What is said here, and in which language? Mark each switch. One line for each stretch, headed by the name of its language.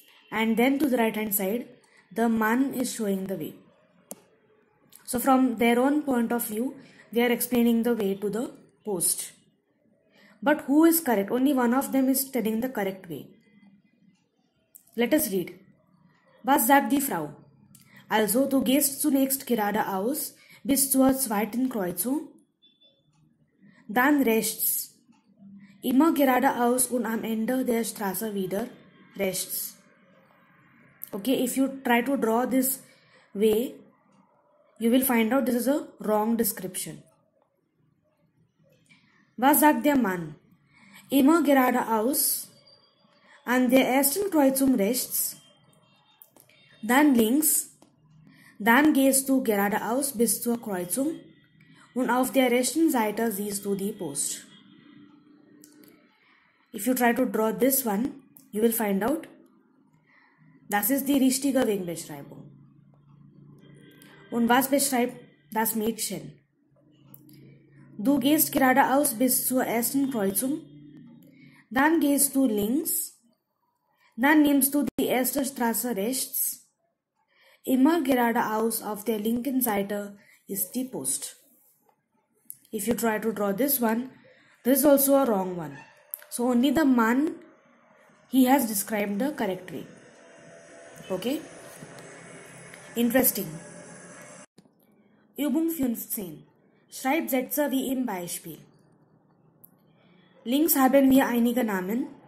English: And then to the right hand side, the man is showing the way. So from their own point of view, they are explaining the way to the post. But who is correct? Only one of them is telling the correct way. Let us read.
German: Was sagt die Frau? Also, du gehst zunächst geradeaus bis zur zweiten Kreuzung. Dann rechts. Immer geradeaus und am Ende der Straße wieder rechts.
English: Okay, if you try to draw this way, you will find out this is a wrong description.
German: Was sagt der Mann? Immer geradeaus, an der ersten Kreuzung rechts, dann links, dann gehst du geradeaus bis zur Kreuzung und auf der rechten Seite siehst du die Post.
English: If you try to draw this one, you will find out
German: das ist die richtige Wegbeschreibung. Und was beschreibt das Mädchen? Du gehst geradeaus bis zur ersten Kreuzung, dann gehst du links, dann nimmst du die erste Straße rechts, immer geradeaus auf der linken Seite ist die Post.
English: If you try to draw this one, this is also a wrong one. So only the man, he has described the correct way. Okay? Interesting.
German: Übung 15. Schreibt Sätze wie im Beispiel. Links haben wir einige Namen.